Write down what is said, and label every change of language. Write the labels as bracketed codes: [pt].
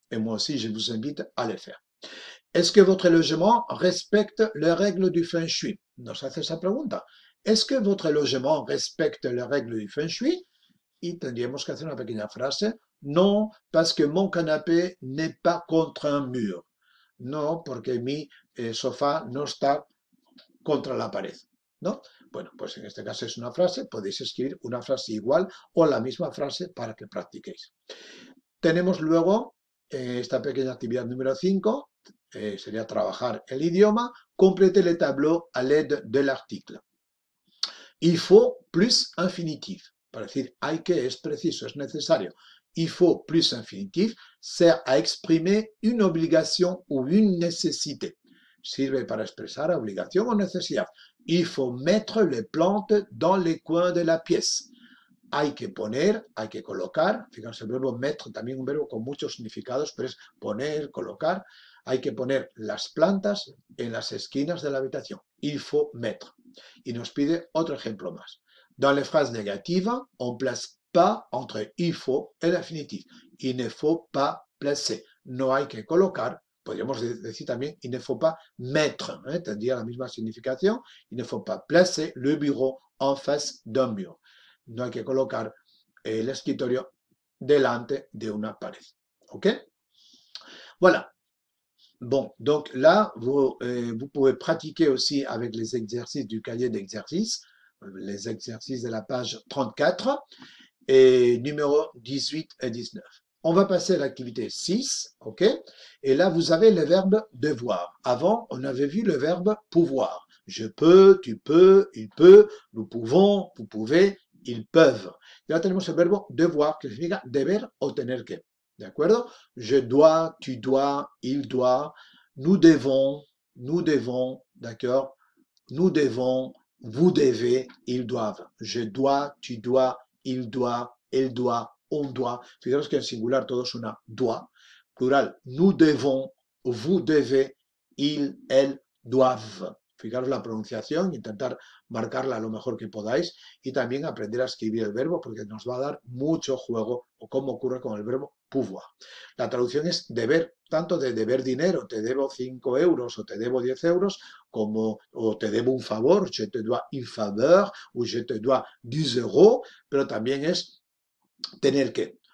[fr] Et moi aussi, je vous invite à les faire. Est-ce que votre logement respecte les règles du feng shui? [es] Nos hace esa pregunta. [fr] Est-ce que votre logement respecte les règles du feng shui? [es] Y tendríamos que hacer una pequeña frase. [fr] Non, parce que mon canapé n'est pas contre un mur. [es] Non, porque mi sofá no está contra la pared. ¿No? Bueno, pues en este caso es una frase. Podéis escribir una frase igual o la misma frase para que practiquéis. Tenemos luego esta pequeña actividad número 5. Sería trabajar el idioma, [fr] complétez le tableau à l'aide de l'article. Il faut plus infinitif. [es] Para decir hay que, es preciso, es necesario. [fr] Il faut plus infinitif sert à exprimer une obligation ou une nécessité. [es] Sirve para expresar obligación o necesidad. [fr] Il faut mettre les plantes dans les coins de la pièce. [es] Hay que poner, hay que colocar. Fíjense, el verbo mettre, también un verbo con muchos significados, pero es poner, colocar. Hay que poner las plantas en las esquinas de la habitación. [fr] Il faut mettre. [es] Y nos pide otro ejemplo más. [fr] Dans les phrases négatives, on place pas entre il faut et l'infinitif. Il ne faut pas placer. [es] No hay que colocar. Podríamos decir también [fr] il ne faut pas mettre. [es] Tendría la misma significación. [fr] Il ne faut pas placer le bureau en face d'un mur. [es] No hay que colocar el escritorio delante de una pared. [fr] ¿Ok? Voilà. Bon, donc là, vous pouvez pratiquer aussi avec les exercices du cahier d'exercices, les exercices de la page 34 et numéro 18 et 19. On va passer à l'activité 6, ok? Et là, vous avez le verbe devoir. Avant, on avait vu le verbe pouvoir. Je peux, tu peux, il peut, nous pouvons, vous pouvez, Ils peuvent. [es] Là, tenemos el verbo devoir, que significa deber o tener que. ¿De acuerdo? [fr] Je dois, tu dois, il doit, nous devons, d'accord? Nous devons, vous devez, ils doivent. Je dois, tu dois, il doit, elle doit, on doit. [es] Fijaros que en singular todos una doit. [fr] Plural, nous devons, vous devez, ils, elles doivent. [es] Fijaros la pronunciación, intentar marcarla lo mejor que podáis y también aprender a escribir el verbo porque nos va a dar mucho juego o como ocurre con el verbo pouvoir. La traducción es deber, tanto de deber dinero, te debo 5 euros o te debo 10 euros, como o te debo un favor, [fr] je te dois une faveur [es] o [fr] je te dois 10 euros, [es] pero también es tener que.